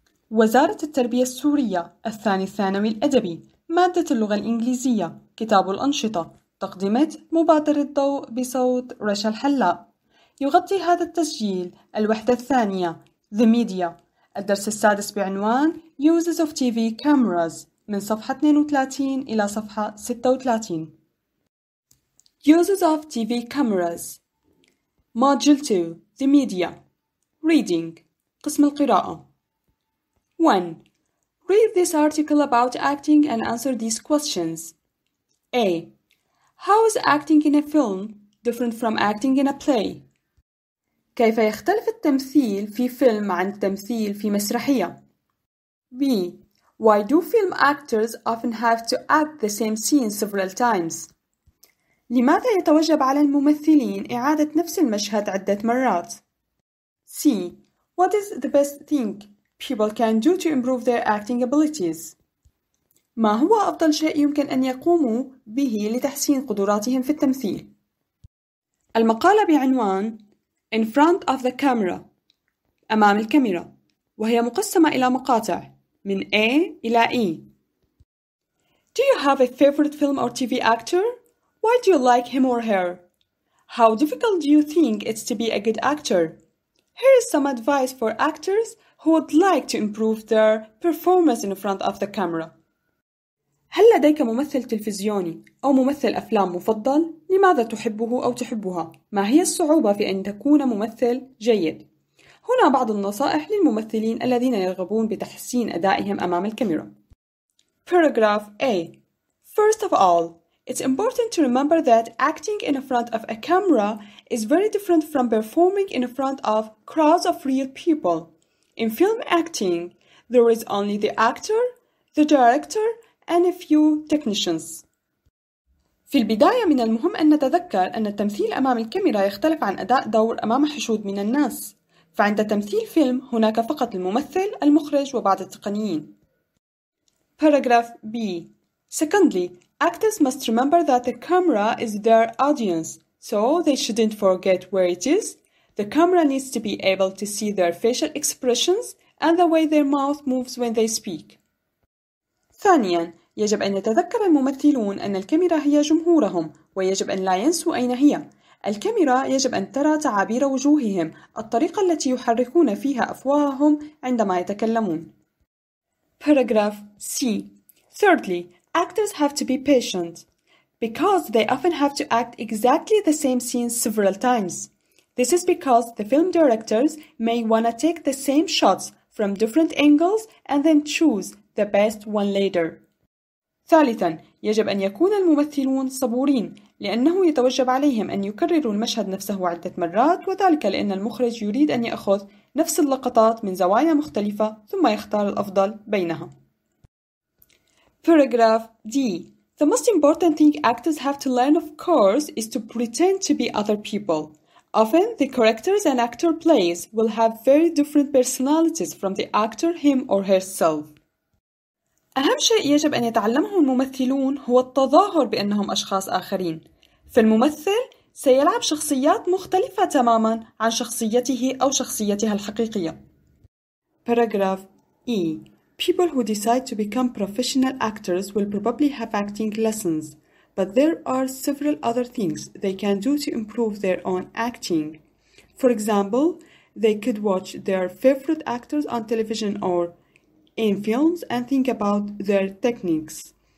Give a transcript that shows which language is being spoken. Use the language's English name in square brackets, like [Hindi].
[Arabic] وزارة التربية السورية، الثاني الثانوي الأدبي، مادة اللغة الإنجليزية، كتاب الأنشطة، تقدمت مبادرة ضوء بصوت رشا الحلاق. يغطي هذا التسجيل الوحدة الثانية The Media، الدرس السادس بعنوان Uses of TV Cameras من صفحة 32 إلى صفحة 36. [English] Uses of TV Cameras Module 2 The Media Reading [Arabic] قسم القراءة [English] 1. Read this article about acting and answer these questions. A. How is acting in a film different from acting in a play? [Arabic] كيف يختلف التمثيل في فيلم عن التمثيل في مسرحية؟ B. [English] Why do film actors often have to act the same scene several times? [Arabic] لماذا يتوجب على الممثلين إعادة نفس المشهد عدة مرات؟ C. [English] What is the best thing people can do to improve their acting abilities? [Arabic] ما هو أفضل شيء يمكن أن يقوموا به لتحسين قدراتهم في التمثيل؟ المقالة بعنوان [English] In front of the camera [Arabic] أمام الكاميرا، وهي مقسمة إلى مقاطع من A إلى E. [English] Do you have a favorite film or TV actor? Why do you like him or her? How difficult do you think it's to be a good actor? Here is some advice for actors who would like to improve their performance in front of the camera. [Arabic] هل لديك ممثل تلفزيوني أو ممثل أفلام مفضل؟ لماذا تحبه أو تحبها؟ ما هي الصعوبة في أن تكون ممثل جيد؟ هنا بعض النصائح للممثلين الذين يرغبون بتحسين أدائهم أمام الكاميرا. [English] Paragraph A. First of all, it's important to remember that acting in front of a camera is very different from performing in front of crowds of real people. In film acting, there is only the actor, the director, and a few technicians. [Arabic] في البداية من المهم أن نتذكر أن التمثيل أمام الكاميرا يختلف عن أداء دور أمام حشود من الناس. فعند تمثيل فيلم هناك فقط الممثل، المخرج وبعض التقنيين. [English] Paragraph B. Secondly, actors must remember that the camera is their audience, so they shouldn't forget where it is. The camera needs to be able to see their facial expressions and the way their mouth moves when they speak. [Arabic] ثانيا، يجب أن يتذكر الممثلون أن الكاميرا هي جمهورهم، ويجب أن لا ينسوا أين هي. الكاميرا يجب أن ترى تعابير وجوههم، الطريقة التي يحركون فيها أفواههم عندما يتكلمون. [English] Paragraph C. Thirdly, actors have to be patient because they often have to act exactly the same scene several times. This is because the film directors may want to take the same shots from different angles and then choose the best one later. [Arabic] ثالثا، يجب أن يكون الممثلون صبورين لأنه يتوجب عليهم أن يكرروا المشهد نفسه عدة مرات، وذلك لأن المخرج يريد أن يأخذ نفس اللقطات من زوايا مختلفة ثم يختار الأفضل بينها. [English] Paragraph D. The most important thing actors have to learn, of course, is to pretend to be other people. Often, the characters an actor plays will have very different personalities from the actor him or herself. [Arabic] أهم شيء يجب أن يتعلمه الممثلون هو التظاهر بأنهم أشخاص آخرين. فالممثل سيلعب شخصيات مختلفة تماماً عن شخصيته أو شخصيتها الحقيقية. [English] Paragraph E. People who decide to become professional actors will probably have acting lessons. But there are several other things they can do to improve their own acting. For example, they could watch their favorite actors on television or in films and think about their techniques.